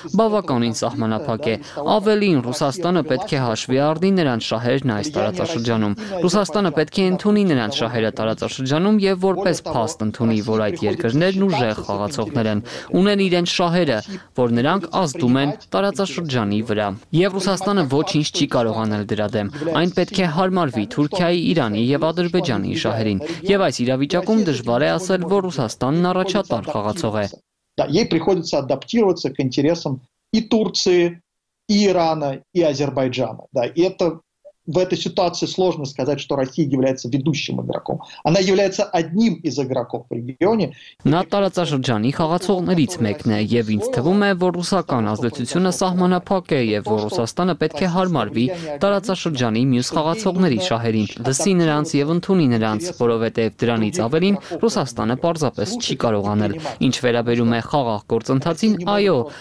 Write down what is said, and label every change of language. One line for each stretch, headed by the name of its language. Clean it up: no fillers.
Armenian: բավականին սահմանափակ է։ Ավելին, Ռուսաստանը պետք է հաշվի առնի նրանց շահերն այս տարածաշրջանում։ Ռուսաստանը պետք է ընդունի նրանց շահերը տարածաշրջանում և որպես փաստ ընդունի, որ այդ երկրներն ուժեղ խաղացողներ են, ունեն իրենց շահերը, որ նրանք ազդում են տարածաշրջանի վրա։ Եվ Ռուսաստանը ոչինչ չի կարողանալ դրա դեմ, այն պետք է հարմարվի Թուրքիայի, Իրանի և Ադրբեջանի շահերին։ Եվ այս իրավիճակում դժվար է ասել, որ Ռուսաստանն առաջատար խաղացող է։
Russian: Ей приходится адаптироваться к интересам и Турции, и Ирана, и Азербайджана. Да, и это в этой ситуации сложно сказать, что Россия является ведущим игроком. Она является одним из игроков в регионе.
Armenian: На տարածաշրջանի խաղացողներից մեկն է, եւ ինձ թվում է, որ ռուսական ազդեցությունը սահմանափակ է եւ որ Ռուսաստանը պետք է հարմարվի տարածաշրջանի մյուս խաղացողների շահերին, լսի նրանց եւ ընդունի նրանց, որովհետեւ դրանից ավելին Ռուսաստանը պարզապես չի կարողանալ։ Ինչ վերաբերում է խաղաղ գործընթացին, այո,